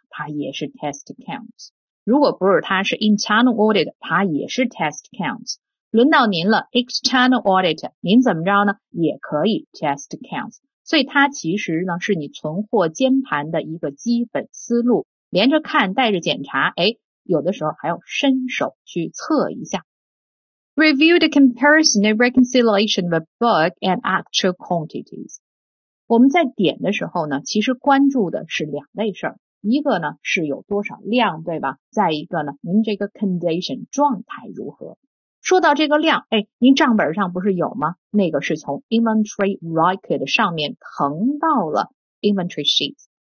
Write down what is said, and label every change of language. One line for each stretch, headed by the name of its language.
Chinese: 他也是 test counts。如果不是他是 internal audit, 他也是 test counts。轮到您了 ,external audit, 您怎么着呢？也可以 test counts。所以它其实呢，是你存货监盘的一个基本思路。连着看带着检查，诶，有的时候还要伸手去测一下。
English: Review the comparison and reconciliation of a book and actual quantities.
Chinese: 我们在点的时候呢，其实关注的是两类事儿。一个呢是有多少量，对吧？再一个呢，您这个 condition 状态如何。说到这个量，诶，您账本上不是有吗？那个是从 inventory record 上面腾到了 inventory sheets。